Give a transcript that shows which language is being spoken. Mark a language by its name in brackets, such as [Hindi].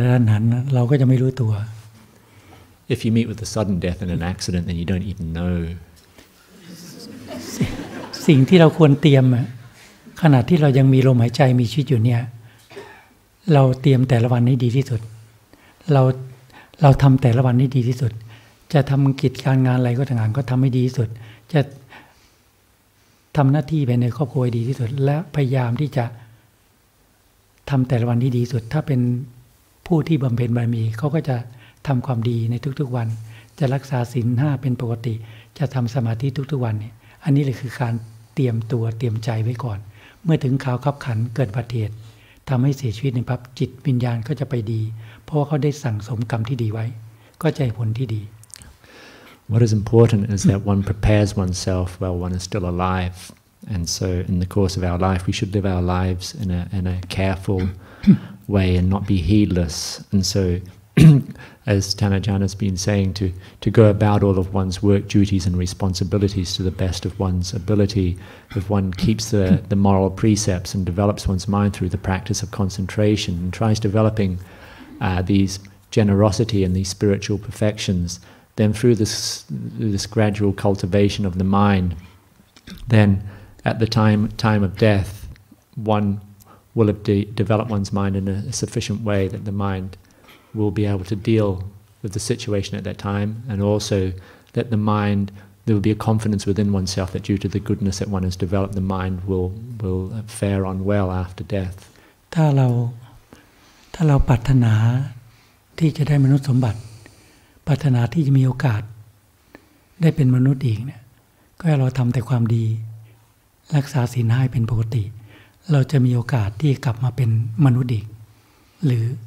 [Thai] ข้อแรกก็ควรจะปฏิบัติอย่างไรในช่วงที่กำลังจะตายโดยเฉพาะถ้าเกิดอุบัติเหตุหรือว่าจะตายแบบกระทันหันครับถ้าเกิดอุบัติเหตุตายกระทันหันเราก็จะไม่รู้ตัว. [English] If you meet with a sudden death and an accident, then you don't even know. [Thai] สิ่งที่เราควรเตรียมขณะที่เรายังมีลมหายใจมีชีวิตอยู่เนี่ยเราเตรียมแต่ละวันให้ดีที่สุดเราทำแต่ละวันให้ดีที่สุดจะทำกิจการงานอะไรก็ทำงานก็ทำให้ดีที่สุดจะ ทำหน้าที่ภายในครอบครัวให้ดีที่สุดและพยายามที่จะทำแต่ละวันที่ดีที่สุดถ้าเป็นผู้ที่บำเพ็ญบารมีเขาก็จะทำความดีในทุกๆวันจะรักษาศีล5เป็นปกติจะทำสมาธิทุกๆวันเนี่ยอันนี้แหละคือการเตรียมตัวเตรียมใจไว้ก่อนเมื่อถึงข่าวขับขันเกิดอุบัติเหตุทำให้เสียชีวิตในปั๊บจิตวิญญาณก็จะไปดีเพราะว่าเขาได้สั่งสมกรรมที่ดีไว้ก็จะผลที่ดี [English] What is important is that one prepares oneself while one is still alive, and so in the course of our life we should live our lives in a careful way and not be heedless, and so as Tanajan has been saying, to go about all of one's work duties and responsibilities to the best of one's ability. If one keeps the moral precepts and develops one's mind through the practice of concentration and tries developing these generosity and these spiritual perfections, then through this gradual cultivation of the mind, then at the time of death, one will have developed one's mind in a sufficient way that the mind will be able to deal with the situation at that time, and also that the mind, there will be a confidence within oneself that due to the goodness that one has developed, the mind will fare on well after death. [Thai] ถ้าเราปรารถนาที่จะได้มนุษย์สมบัติปรารถนาที่จะมีโอกาสได้เป็นมนุษย์อีกเนี่ยก็ให้เราทำแต่ความดีรักษาศีลให้เป็นปกติเราจะมีโอกาสที่กลับมาเป็นมนุษย์อีกหรือ